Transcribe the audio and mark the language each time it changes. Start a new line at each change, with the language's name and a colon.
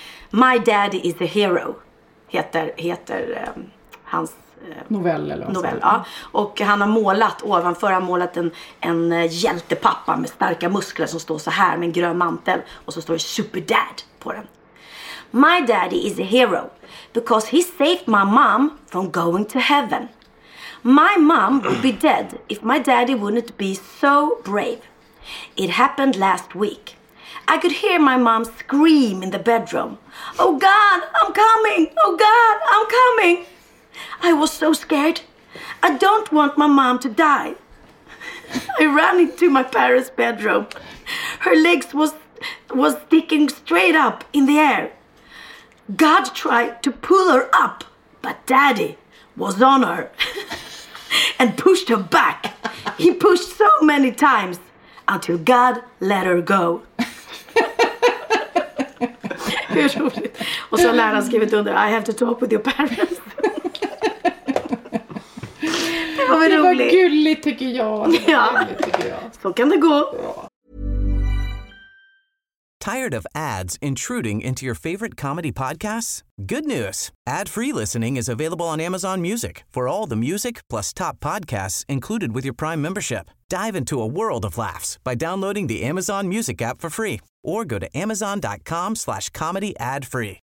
English: My daddy is a hero
Swedish: heter hans novell eller vad novell, ja. Och han har målat, ovanför han målat en hjältepappa med starka muskler som står så här med en grön mantel, och så står det superdad på den.
English: My daddy is a hero because he saved my mom from going to heaven. My mom would be dead if my daddy wouldn't be so brave. It happened last week. I could hear my mom scream in the bedroom. Oh God, I'm coming. Oh God, I'm coming. I was so scared. I don't want my mom to die. I ran into my parents' bedroom. Her legs was sticking straight up in the air. God tried to pull her up, but Daddy was on her and pushed her back. He pushed so many times until God let her go.
Swedish: Hur roligt. Och så har läraren skrivit under,
English: I have to talk with your parents.
Swedish: Det var gulligt tycker jag. Ja. Så kan det gå. Ja.
English: Tired of ads intruding into your favorite comedy podcasts? Good news. Ad-free listening is available on Amazon Music for all the music plus top podcasts included with your Prime membership. Dive into a world of laughs by downloading the Amazon Music app for free or go to amazon.com/comedyadfree.